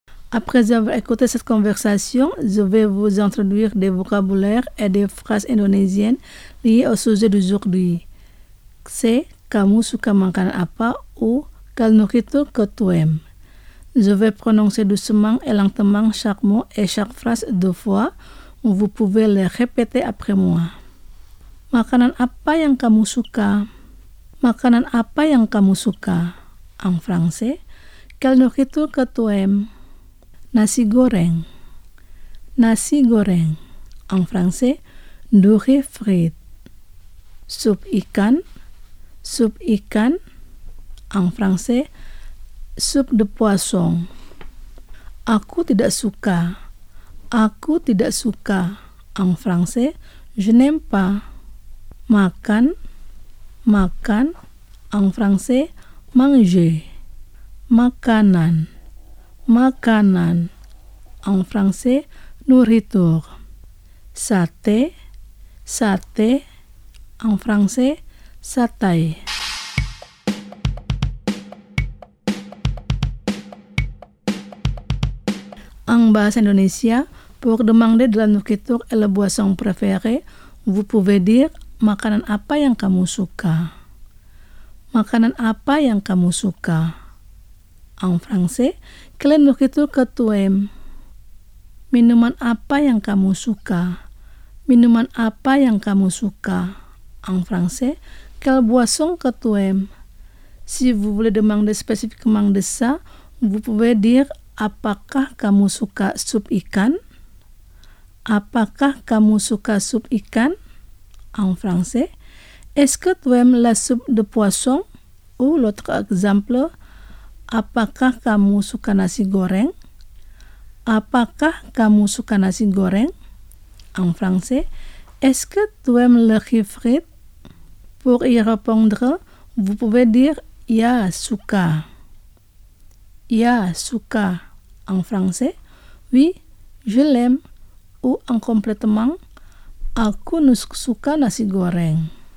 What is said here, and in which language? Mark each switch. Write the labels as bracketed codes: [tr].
[fr] Après avoir écouté cette conversation, je vais vous introduire des vocabulaires et des phrases indonésiennes liées au sujet d'aujourd'hui. C'est « [id] Kamu suka makan apa ?» [fr] ou « Quelle nourriture que tu aimes ?» Je vais prononcer doucement et lentement chaque mot et chaque phrase deux fois. Vous pouvez les répéter après moi. [id] Makanan apa yang kamu suka? Makanan apa yang kamu suka? [fr] En français, quelle nourriture que tu aimes? [id] Nasi goreng. Nasi goreng. [fr] En français, nourri frit. [id] Sup ikan. Sup ikan. [fr] En français, soup de poisson. [id] Aku tidak suka. Aku tidak suka. [fr] En français, je n'aime pas. [id] Makan. Makan. [fr] En français, manger. [id] Makanan. Makanan. [fr] En français, nourriture. [id] Sate. Sate. [fr] En français, satay. En bahasa Indonesia, pour demander de la nourriture et la boisson préférée, vous pouvez dire [id] makanan apa yang kamu suka. Makanan apa yang kamu suka. [fr] En français, quelle nourriture que tu aimes? [id] Minuman apa yang kamu suka? Minuman apa yang kamu suka? [fr] En français, quelle boisson que tu aimes? Si vous voulez demander spécifiquement de ça, vous pouvez dire [id] apakah kamu suka sup ikan? Apakah kamu suka sup ikan? [fr] En français, est-ce que tu aimes la soupe de poisson? Ou l'autre exemple, [id] apakah kamu suka nasi goreng? Apakah kamu suka nasi goreng? [fr] En français, est-ce que tu aimes le riz frit? Pour y répondre, vous pouvez dire [id] ya suka. Ya suka. [fr] En français, oui, je l'aime. Ou en complètement, [id] aku suka nasi goreng.